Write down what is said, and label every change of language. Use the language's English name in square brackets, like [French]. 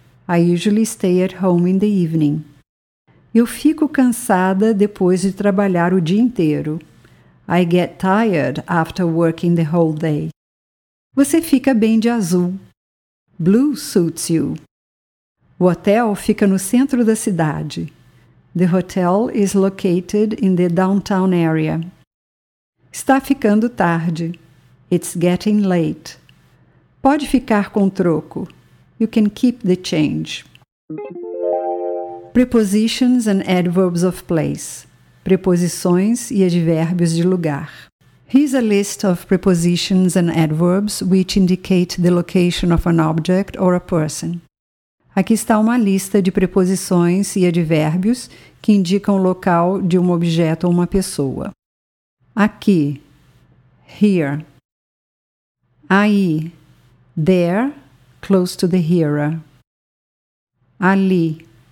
[English] I usually stay at home in the evening. [Portuguese] Eu fico cansada depois de trabalhar o dia inteiro. [English] I get tired after working the whole day. [Portuguese] Você fica bem de azul. [English] Blue suits you. [Portuguese] O hotel fica no centro da cidade. [English] The hotel is located in the downtown area. [Portuguese] Está ficando tarde. [English] It's getting late. [Portuguese] Pode ficar com o troco. [English] You can keep the change. Prepositions and adverbs of place. [Portuguese] Preposições e advérbios de lugar. [English] Here's a list of prepositions and adverbs which indicate the location of an object or a person. [Portuguese] Aqui está uma lista de preposições e advérbios que indicam o local de um objeto ou uma pessoa. Aqui. [English] Here. [Portuguese] Aí. [English] There. Close to the hearer. [Portuguese] Ali.